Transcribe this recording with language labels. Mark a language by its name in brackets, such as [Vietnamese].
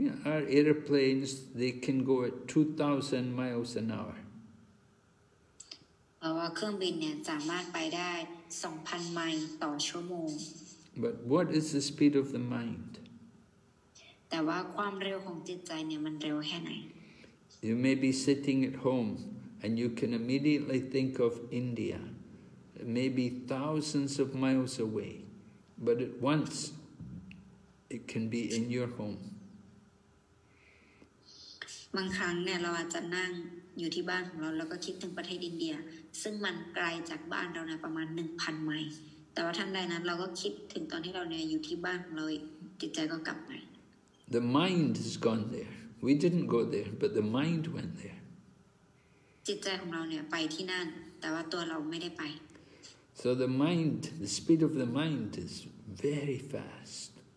[English] our aeroplanes they can go at 2,000 miles an hour [Thai] เครื่องบินเนี่ยสามารถไปได้ 2,000 ไมล์ต่อชั่วโมง [English] But what is the speed of the mind? [Thai] แต่ว่าความเร็วของจิตใจเนี่ยมันเร็วแค่ไหน [English] You may be sitting at home and you can immediately think of India. It may be thousands of miles away. But at once, it can be in your home. [Thai] บางครั้งเนี่ยเราอาจจะนั่งอยู่ที่บ้านของเราแล้วก็คิดถึงประเทศอินเดียซึ่งมันไกลจากบ้านเราเนี่ยประมาณ 1,000 ไมล์แต่ว่าทันใดนั้นเราก็คิดถึงตอนที่เราเนี่ยอยู่ที่บ้านของเราจิตใจก็กลับไป [English] The mind has gone there. We didn't go there, but the mind went there. [Thai] จิตใจของเราเนี่ยไปที่นั่นแต่ว่าตัวเราไม่ได้ไป [English] So the mind, the speed of the mind is very fast.